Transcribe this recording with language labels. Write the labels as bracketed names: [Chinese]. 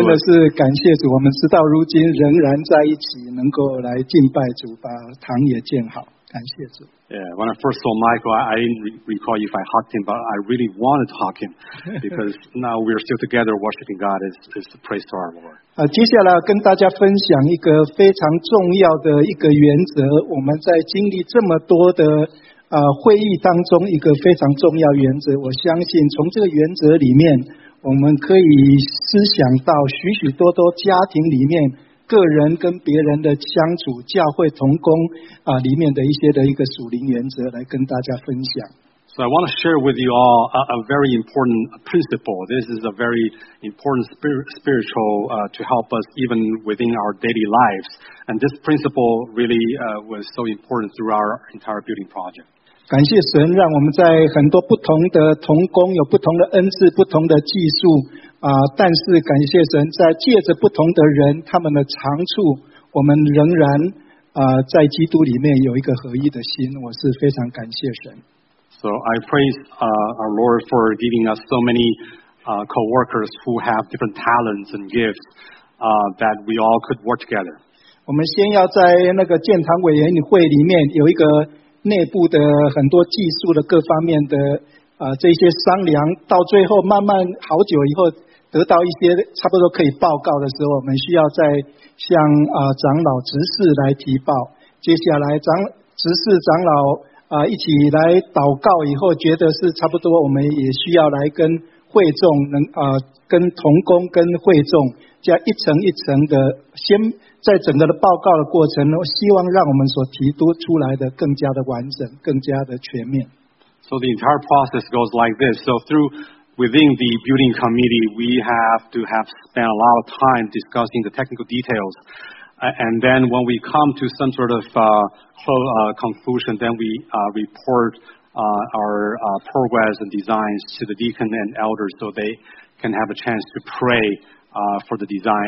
[Chinese] 真的是感谢主，我们直到如今仍然在一起，能够来敬拜主，把堂也建好。 [English] Yeah, when I first saw Michael, I didn't recall if I hugged him, but I really wanted to hug him because now we're still together worshiping God. It's the praise to our Lord. [Chinese] 接下来跟大家分享一个非常重要的一个原则，我们在经历这么多的会议当中一个非常重要原则。我相信从这个原则里面，我们可以思想到许许多多家庭里面。个人跟别人的相处，教会同工里面的一些的一个属灵原则来跟大家分享。 [English] So I want to share with you all a very important principle. This is a very important spiritual to help us even within our daily lives. And this principle really was so important through our entire building project. [Chinese] 感谢神，让我们在很多不同的同工有不同的恩赐、不同的技术。但是感谢神，在借着不同的人他们的长处，我们仍然在基督里面有一个合一的心，我是非常感谢神。 [English] So I praise our Lord for giving us so many co-workers who have different talents and gifts that we all could work together. [Chinese] 我们先要在那个建堂委员会里面有一个内部的很多技术的各方面的这些商量，到最后慢慢好久以后得到一些差不多可以报告的时候，我们需要再向长老执事来提报。接下来执事长老一起来祷告以后，觉得是差不多，我们也需要来跟会众跟同工跟会众这样一层一层的，先在整个的报告的过程，希望让我们所提督出来的更加的完整，更加的全面。 [English] So the entire process goes like this. So through within the building committee, we have to have spent a lot of time discussing the technical details. And then when we come to some sort of conclusion, then we report our progress and designs to the deacon and elders so they can have a chance to pray for the design.